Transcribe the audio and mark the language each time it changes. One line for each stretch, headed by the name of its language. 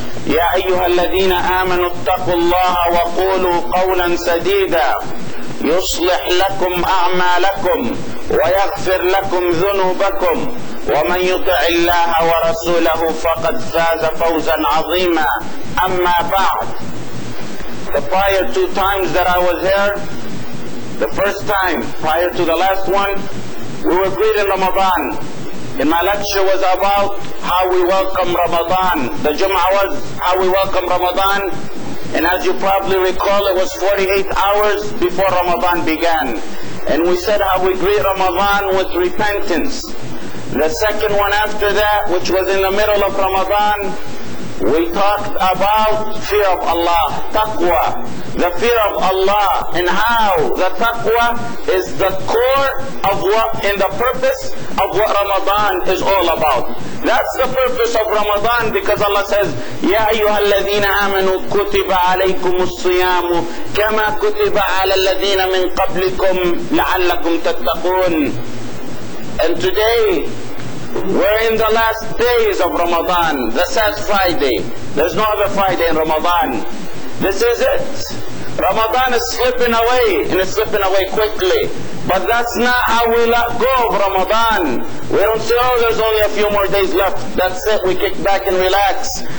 Arabic: يا أيها الذين آمنوا اتقوا الله وقولوا قولا سديدا يصلح لكم أعمالكم ويغفر لكم ذنوبكم، ومن يطع الله ورسوله فقد فاز فوزا عظيما. أما بعد،
English: the prior two times that I was here, the first time prior to the last one, we were greeting Ramadan. And my lecture was about how we welcome Ramadan. The Jum'ah was how we welcome Ramadan. And as you probably recall, it was 48 hours before Ramadan began. And we said how we greet Ramadan with repentance. The second one after that, which was in the middle of Ramadan, we talked about fear of Allah, taqwa, the fear of Allah, and how the taqwa is the core of what, in the purpose of what Ramadan is all about. That's the purpose of Ramadan, because Allah says,
Arabic: يَا أَيُّهَا الَّذِينَ آمَنُوا كُتِبَ عَلَيْكُمُ الصِّيَامُ كَمَا كُتِبَ عَلَى الَّذِينَ مِنْ قَبْلِكُمْ لَعَلَّكُمْ تَتَّقُونَ.
English: And today, we're in the last days of Ramadan, the sad Friday. There's no other Friday in Ramadan. This is it. Ramadan is slipping away, and it's slipping away quickly. But that's not how we let go of Ramadan. We don't say, oh, there's only a few more days left, that's it, we kick back and relax.